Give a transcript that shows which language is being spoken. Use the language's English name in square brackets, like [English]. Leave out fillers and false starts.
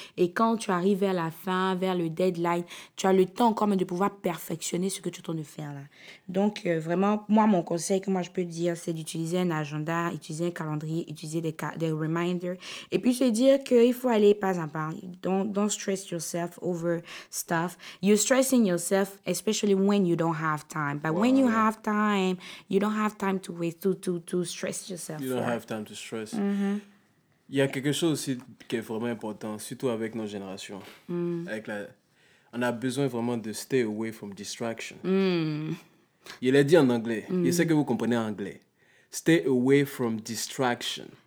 [French] Et quand tu arrives vers la fin, vers le deadline, tu as le temps quand même de pouvoir perfectionner ce que tu es en train de faire, là. Donc, vraiment, moi, mon conseil que moi, je peux te dire, c'est d'utiliser un agenda, utiliser un calendrier, utiliser des reminders. Et puis, c'est dire qu'il faut aller pas à pas. [English] Don't stress yourself over stuff. You're stressing yourself, especially when you don't have time. But when you have time, you don't have time to waste, to stress yourself. You don't have time to stress. [French] Il y a quelque chose aussi qui est vraiment important, surtout avec nos générations. On a besoin vraiment de [English] stay away from distraction. [French] Il l'a dit en anglais. Il sait que vous comprenez en anglais. [English] Stay away from distraction.